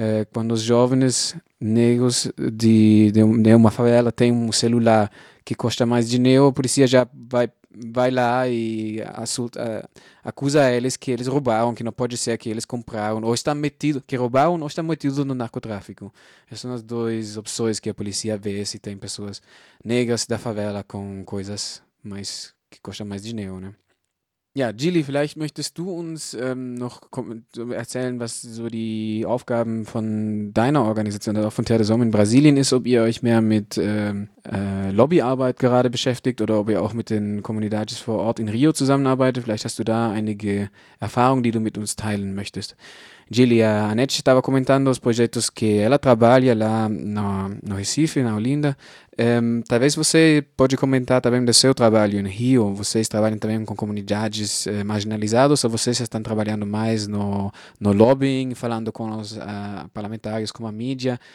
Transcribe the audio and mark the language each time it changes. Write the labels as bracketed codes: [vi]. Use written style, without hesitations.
[pt] Quando os jovens negros de uma favela têm um celular que custa mais dinheiro, a polícia já vai lá e acusa eles que eles roubaram, que não pode ser que eles compraram, ou estão metidos, que roubaram ou estão metidos no narcotráfico. Essas são as duas opções que a polícia vê se tem pessoas negras da favela com coisas mais, que custam mais dinheiro, né? [de] Ja, Gili, vielleicht möchtest du uns noch erzählen, was so die Aufgaben von deiner Organisation, also auch von Terre des Hommes in Brasilien ist, ob ihr euch mehr mit Lobbyarbeit gerade beschäftigt oder ob ihr auch mit den Comunidades vor Ort in Rio zusammenarbeitet. Vielleicht hast du da einige Erfahrungen, die du mit uns teilen möchtest. [pt] Gili, a Anette estava comentando os projetos que ela trabalha lá no Recife, na Olinda. Talvez você pode comentar também do seu trabalho no Rio. Vocês trabalham também com comunidades marginalizadas, ou vocês estão trabalhando mais no lobbying, falando com os parlamentares, com a mídia?